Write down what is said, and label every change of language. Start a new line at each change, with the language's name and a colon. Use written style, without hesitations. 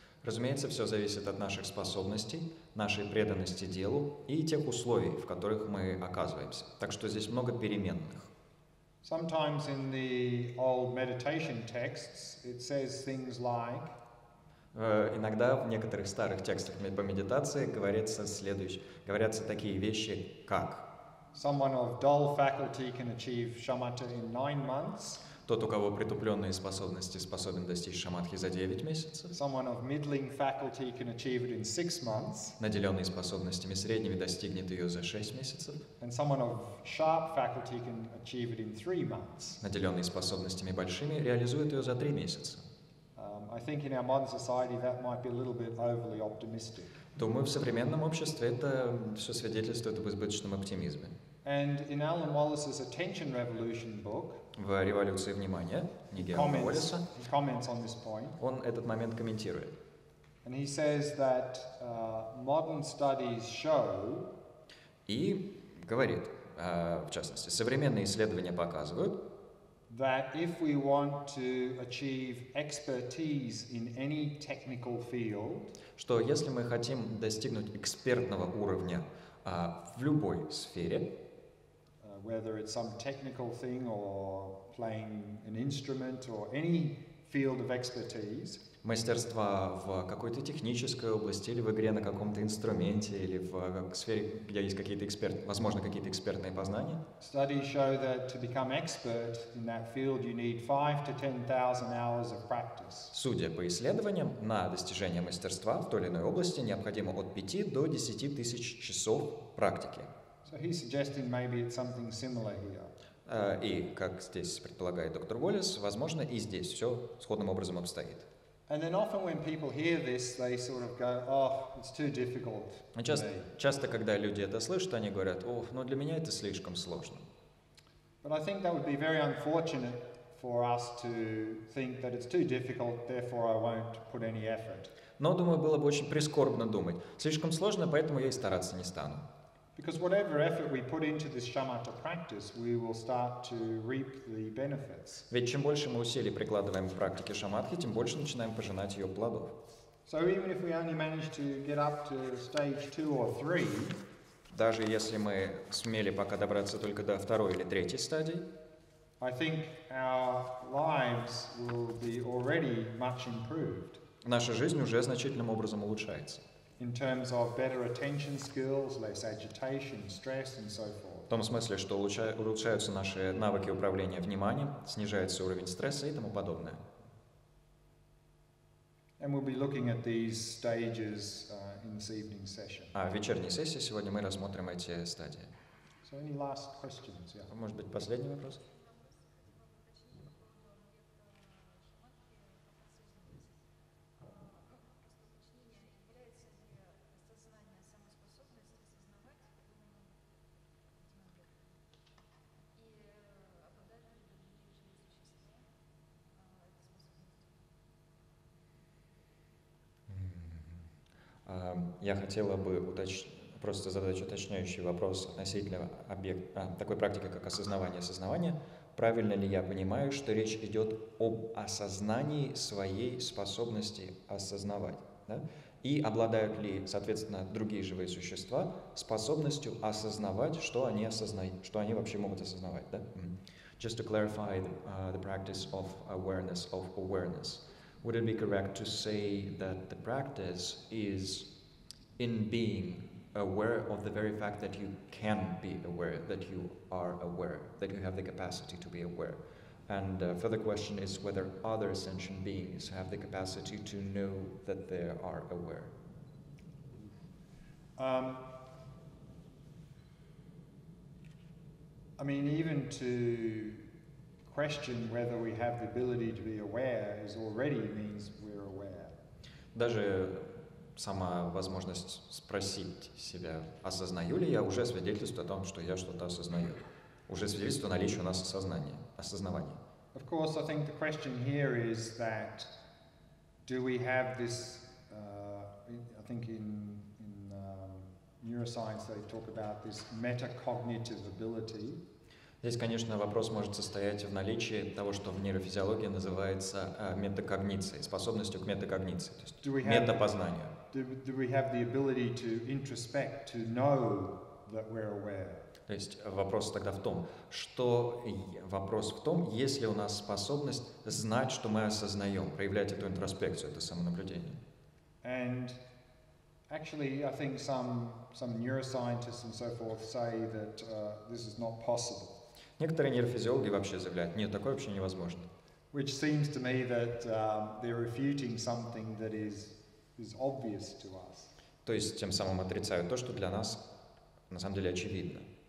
Russian: Разумеется, все зависит от наших способностей, нашей преданности делу и тех условий, в которых мы оказываемся. Так что здесь много переменных.
English: Sometimes in the old meditation texts it says things like.
Russian: Иногда в некоторых старых текстах по медитации говорится следующее, говорятся такие вещи, как.
English: Someone of dull faculty can achieve shamatha in 9 months.
Russian: Тот, у кого притупленные способности, способен достичь шамадхи за 9 месяцев.
English: Someone of middling faculty can achieve it in 6 months.
Russian: Наделенные способностями средними достигнет ее за 6 месяцев.
English: And someone of sharp faculty can achieve it in 3 months.
Russian: Наделенные способностями большими реализует ее за 3 месяца.
English: I think in our modern society that might be a little bit overly optimistic.
Russian: Думаю, в современном обществе это все свидетельствует об избыточном оптимизме.
English: And in Alan Wallace's Attention Revolution book,
Russian: в «Революции внимания» книги Алана Уоллеса,
English: he comments on this point.
Russian: Он этот момент комментирует.
English: And he says that, modern studies show,
Russian: и говорит, в частности, современные исследования показывают,
English: that if we want to achieve expertise in any technical field,
Russian: что если мы хотим достигнуть экспертного уровня в любой сфере,
English: whether it's some technical thing or playing an instrument or any field of expertise,
Russian: мастерство в какой-то технической области или в игре на каком-то инструменте или в сфере, где есть какие-то возможно, какие-то экспертные познания.
English: Studies show that to become expert in that field you need 5 to 10,000 hours of practice.
Russian: Судя по исследованиям, на достижение мастерства в той или иной области необходимо от 5 до 10 тысяч часов практики.
English: So he's suggesting maybe it's something similar here.
Russian: И, как здесь предполагает доктор Уоллес, возможно, и здесь все сходным образом обстоит.
English: And then often when people hear this, they sort of go, oh, it's too difficult.
Russian: Часто, когда люди это слышат, они говорят, ох, ну для меня это слишком сложно.
English: But I think that would be very unfortunate for us to think that it's too difficult, therefore I won't put any effort.
Russian: Но, думаю, было бы очень прискорбно думать, слишком сложно, поэтому я и стараться не стану.
English: Because whatever effort we put into this shamatha practice, we will start to reap the benefits.
Russian: Ведь чем больше мы усилий прикладываем к практике шамадхи, тем больше начинаем пожинать ее плодов.
English: So even if we only manage to get up to stage 2 or 3,
Russian: даже если мы сумели пока добраться только до второй или третьей стадии,
English: I think our lives will be already much improved.
Russian: Наша жизнь уже значительным образом улучшается.
English: In terms of better attention skills, less agitation, stress, and so forth.
Russian: В том смысле, что улучшаются наши навыки управления вниманием, снижается уровень стресса и тому подобное.
English: And we'll be looking at these stages in this evening session.
Russian: В вечерней сессии сегодня мы рассмотрим эти стадии.
English: So any last questions? Yeah.
Russian: Может быть, последний вопрос? Я хотела бы просто задать уточняющий вопрос относительно такой практики, как осознавание сознания. Правильно ли я понимаю, что речь идет об осознании своей способности осознавать? Да? И обладают ли, соответственно, другие живые существа способностью осознавать, что они осознают, что они вообще могут осознавать? Да?
English: Just to clarify the practice of awareness, Would it be correct to say that the practice is in being aware of the very fact that you can be aware, that you are aware, that you have the capacity to be aware? And further question is whether other sentient beings have the capacity to know that they are aware. I mean, even to question whether we have the ability to be aware is already means we're aware.
Russian: Даже сама возможность спросить себя, осознаю ли я, уже свидетельствует о том, что я что-то осознаю. Уже свидетельствует о наличии у нас осознания, осознавания.
English: Of course, I think the question here is that do we have this, I think in neuroscience they talk about this metacognitive ability.
Russian: Здесь, конечно, вопрос может состоять в наличии того, что в нейрофизиологии называется метакогницией, способностью к метакогниции, то есть метапознанию.
English: Do we have the ability to introspect, to know that we're aware?
Russian: То есть вопрос тогда в том, что вопрос в том, есть ли у нас способность знать, что мы осознаем, проявлять эту интроспекцию, это самонаблюдение.
English: And actually, I think some neuroscientists and so forth say that this is not possible.
Russian: Некоторые нейрофизиологи вообще заявляют, нет, такое вообще невозможно.
English: Which seems to me that they're refuting something that is obvious to us.
Russian: То есть тем самым отрицают то, что для нас на самом деле очевидно.